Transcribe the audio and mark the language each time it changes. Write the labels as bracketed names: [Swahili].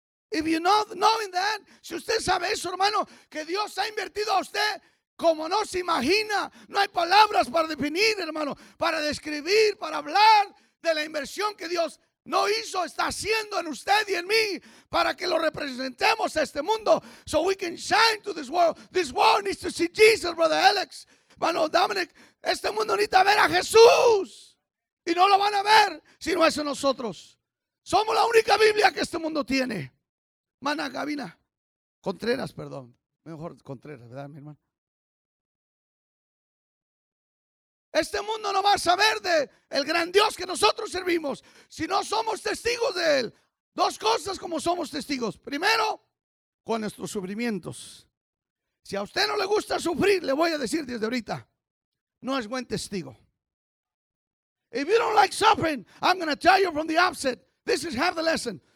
[English] If you know, knowing that, [Spanish] si usted sabe eso, hermano, que Dios ha invertido a usted como no se imagina. No hay palabras para definir, hermano, para describir, para hablar de la inversión que Dios no hizo, está haciendo en usted y en mí para que lo representemos a este mundo. [English] So we can shine to this world. This world needs to see Jesus, brother Alex. [Spanish] Hermano Dominic, este mundo necesita ver a Jesús. Y no lo van a ver si no es en nosotros. Somos la única Biblia que este mundo tiene. Mana Gabina. Contreras, perdón. Mejor Contreras, ¿verdad, mi hermano? Este mundo no va a saber de el gran Dios que nosotros servimos si no somos testigos de él. Dos cosas como somos testigos. Primero, con nuestros sufrimientos. Si a usted no le gusta sufrir, le voy a decir desde ahorita, no es buen testigo. [English] If you don't like suffering, I'm going to tell you from the outset, this is half the lesson.